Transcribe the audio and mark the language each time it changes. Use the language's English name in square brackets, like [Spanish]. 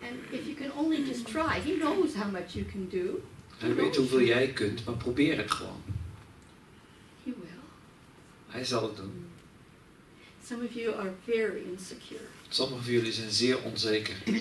[English] If you can only just try, he knows how much you can do. [Dutch] Hij weet hoeveel jij kunt, maar probeer het gewoon. Hij zal het doen. [English] Some of you are very insecure. [Dutch] Sommige van jullie zijn zeer onzeker.